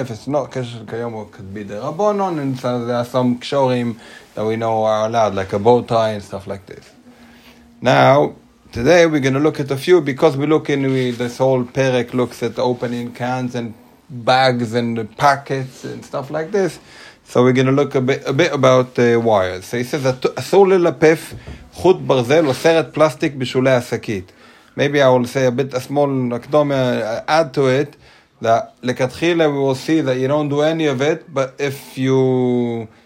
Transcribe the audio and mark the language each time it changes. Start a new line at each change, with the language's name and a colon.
English: If it's not kesher shel kayom, it could be the rabbonon, and so there are some ksharim that we know are allowed, like a bow tie and stuff like this. Now, today we're going to look at a few, because we look in, this whole perek looks at opening cans and bags and packets and stuff like this. So we're going to look a bit about wires.
Hebrew: So he says, אסור ללפף חוט ברזל או סרט פלסטיק בשולי עסקית.
English: Maybe I will say a bit, a small אקדומיה, add to it, that לכתחילה we will see that you don't do any of it, but if you...